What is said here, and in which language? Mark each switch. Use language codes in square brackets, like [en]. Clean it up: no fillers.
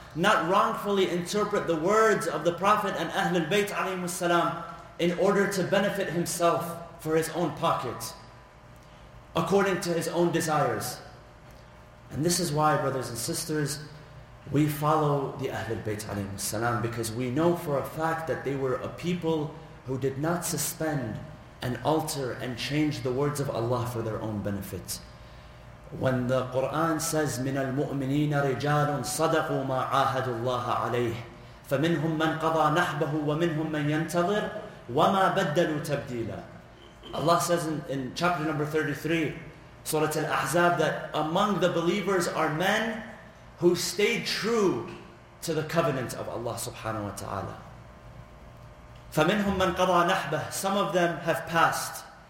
[en] not wrongfully interpret the words of the Prophet and Ahlul Bayt alayhimu salam in order to benefit himself for his own pocket, according to his own desires. And this is why, brothers and sisters, we follow the Ahlul Bayt alayhimu salam, because we know for a fact that they were a people who did not suspend and alter and change the words of Allah for their own benefit. When the Quran says, [ar] مِنَ الْمُؤْمِنِينَ رِجَالٌ صَدَقُوا مَا عَاهَدُ اللَّهَ عَلَيْهِ فَمِنْهُمْ مَنْ قَضَى نَحْبَهُ وَمِنْهُمْ مَنْ يَنْتَظِرُ وَمَا بَدَّلُوا تَبْدِيلًا. [en] Allah says in chapter number 33, Surah Al-Ahzab, that among the believers are men who stayed true to the covenant of Allah subhanahu wa ta'ala. [ar] فَمِنْهُمْ مَنْ قَضَى نَحْبَهُ. [en] Some of them have passed.